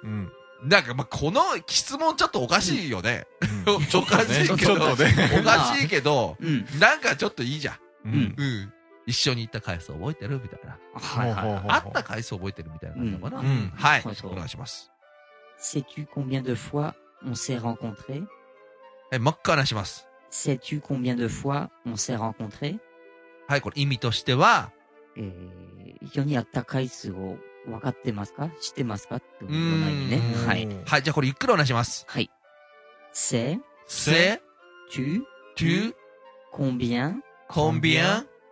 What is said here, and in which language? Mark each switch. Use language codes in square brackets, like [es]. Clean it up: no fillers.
[ja] うん、なんかまあこの質問ちょっとおかしいよね、うん、おかしいけど、ね、おかしいけど、まあ、なんかちょっといいじゃん、うん、うん、一緒に行った回数覚えてるみたいな、はいはいはい、会った回数覚えてるみたいな感じかな、うんうん、はい、そうそう、お願いします。 [fr] Sais-tu combien de fois on s'est rencontré？ [ja] え、もう一回お願いします。 [fr] Sais-tu combien de fois on s'est rencontré？ [ja] はい、これ意味としては、一緒に会った回数を分かってますか、知ってますかっていうのないね、はい、はい、じゃあこれゆっくりお願いします。はい、 [fr] Sais-tu combien combien